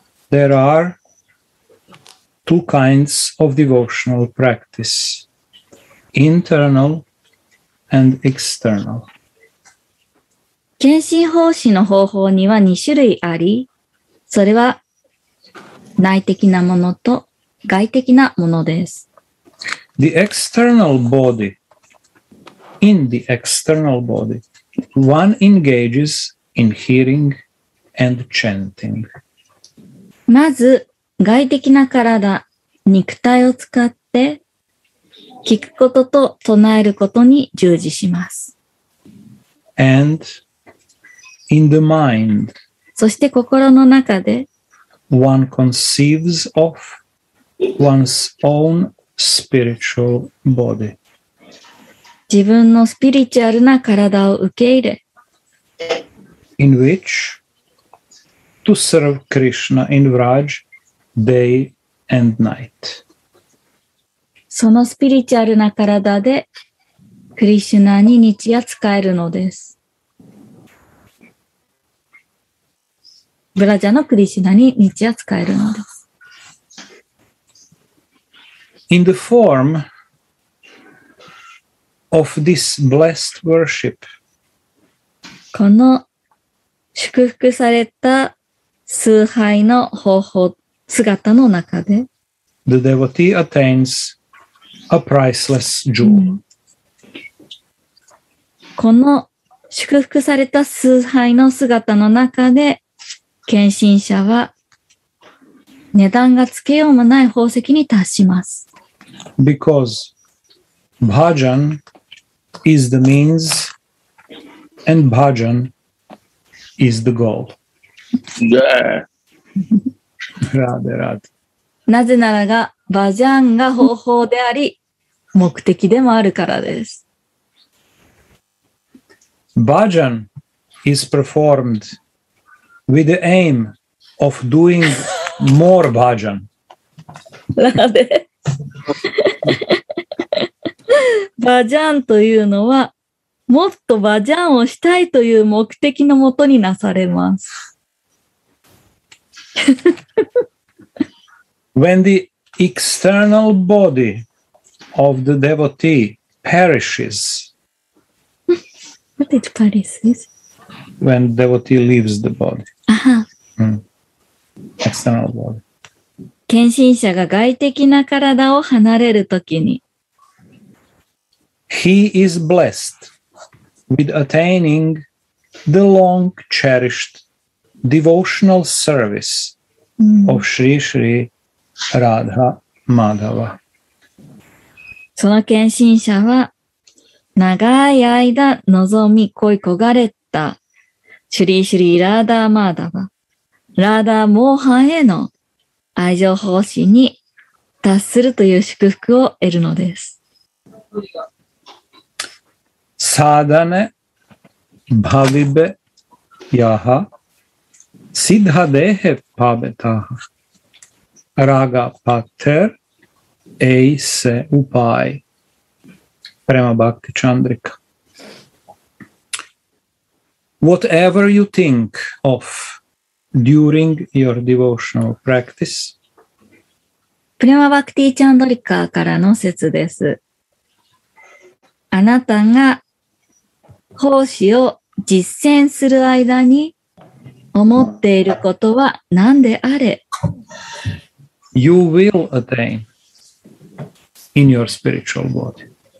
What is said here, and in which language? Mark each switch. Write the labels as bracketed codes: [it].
[en] There are two kinds of devotional practice, internal and external. [ja] 献身奉仕の方法には2種類あり、それは内的なものと外的なものです。 [en] The external body, in the external body, one engages in hearing and chanting. [ja] まず、外的な体、肉体を使って、聞くことと唱えることに従事します。 [en] And in the mind, [ja] そして心の中で、 [en] one conceives of one's own spiritual body. [ja] 自分のスピリチュアルな体を受け入れ。 [en] In which to serve Krishna in Vraj day and night. [ja] そのスピリチュアルな体でクリシュナに日夜使えるのです。ブラジャのクリシュナに日夜使えるのです。 [en] In the form of this blessed worship, [ja] この祝福された崇拝の方法、姿の中で、 [en] the devotee attains a priceless jewel. [ja] この祝福された崇拝の姿の中で、献身者は値段がつけようもない宝石に達します。 [en] Because bhajan is the means and bhajan is the goal. Yeah. Radhe Radhe. [ja] なぜならが、バジャンが方法であり、目的でもあるからです。 [en] Bhajan is performed with the aim of doing more bhajan. Radhe. [ja] バジャンというのはもっとバジャンをしたいという目的のもとになされます。 [en] When the external body of the devotee perishes, what it perishes? When devotee leaves the body. Aha. External body. [ja] 献身者が外的な体を離れるときに、 [en] He is blessed with attaining the long cherished devotional service of Sri Sri Radha Madhava. [ja] その献身者は、長い間望み恋焦がれた Sri Sri Radha Madhava、Radha Mohan への愛情奉仕に達するという祝福を得るのです。 [sa] サダネバビベヤハシッダデヘパベタハラガパテルエイセウパイプレマバクティチャンドリカ。 [en] Whatever you think of during your devotional practice. [ja] プレマバクティチャンドリカーからの説です。あなたが奉仕を実践する間に思っていることは何であれ [en] ?You will attain in your spiritual body.